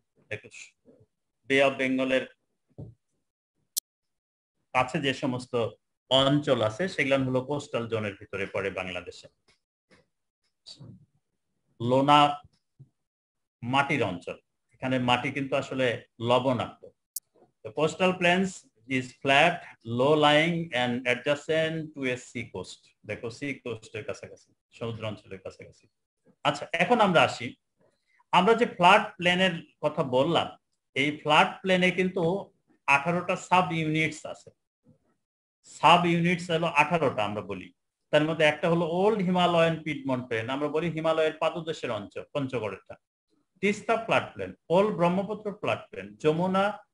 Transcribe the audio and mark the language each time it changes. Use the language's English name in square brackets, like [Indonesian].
[Bangla] দেখো বে অফ বেঙ্গলের কাছে যে সমস্ত অঞ্চল আছে সেগুলো হলো কোস্টাল জোনের ভিতরে পড়ে বাংলাদেশে লোনা মাটির অঞ্চল এখানে মাটি কিন্তু আসলে লবণাক্ত। [English] The coastal plains is flat, low-lying and adjacent to a sea coast. [Bangla] দেখো সি কোস্টের কাছাকাছি সমুদ্র অঞ্চলের কাছাকাছি। আচ্ছা এখন আমরা আসি আমরা যে ফ্লাড প্লেনের কথা বললাম এই ফ্লাড প্লেনে কিন্তু 18টা সাব ইউনিটস আছে সাব ইউনিটস হলো 18টা আমরা বলি তার মধ্যে একটা হলো ওল্ড হিমালয়ান পিডমন্ট প্লেন আমরা বলি হিমালয়ের পাদদেশের অঞ্চল পঞ্চগড়েরটা Teesta flood plane old Brahmaputra flood plane Jamuna